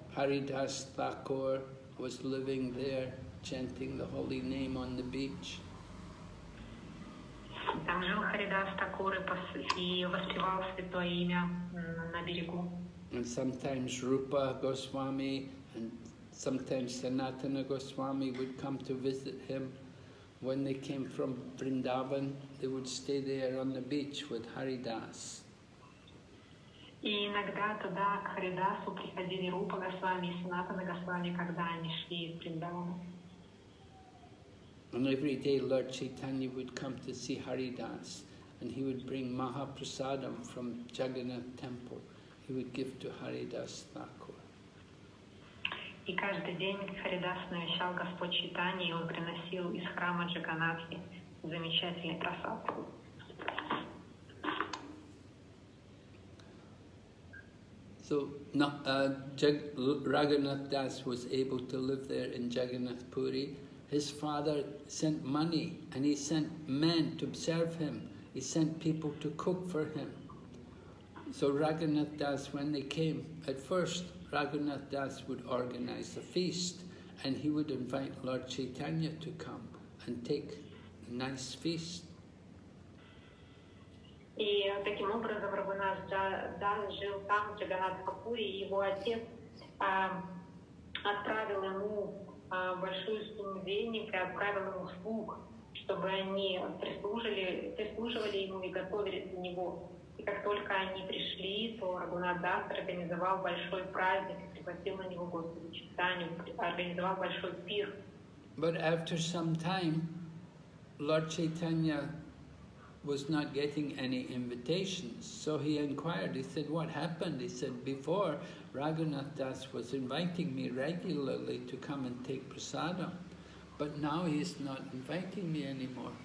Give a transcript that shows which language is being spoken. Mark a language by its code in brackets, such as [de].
[en] Haridas Thakur was living there, chanting the holy name on the beach. [ru] Там жил Харидас Такур и воспевал святое имя на берегу. [en] And sometimes Rupa Goswami and sometimes Sanatana Goswami would come to visit him When they came from Vrindavan, they would stay there on the beach with Haridas. [ru] И иногда туда к Харидасу приходили Рупа Госвами и Санатана Госвами, когда они шли в Вриндаван. [en] And every day Lord Chaitanya would come to see Haridas, and he would bring Mahaprasadam from Jagannath temple. He would give to Haridas Thakur. [ru] И каждый день Харидас навещал Господь Чайтанья, и он приносил из храма Джаганатхи замечательный прасад. [en] So Raghunath Das was able to live there in Jagannath Puri. His father sent money and he sent men to serve him. He sent people to cook for him. So Raghunath Das, when they came, at first Raghunath Das would organize a feast and he would invite Lord Chaitanya to come and take a nice feast. [ru] И таким образом Рагунат Дас жил там, в Джаганнатхапури, и его отец отправил ему большую сумму денег и отправил ему слуг, чтобы они прислуживали ему и готовили для него. И как только они пришли, то Рагунат Дас организовал большой праздник и пригласил на него Господа Чайтанью, организовал большой пир. [en] But after some time, Lord Chaitanya was not getting any invitations. So he inquired, he said, what happened? He said, before Raghunath Das was inviting me regularly to come and take prasadam, but now he's not inviting me anymore.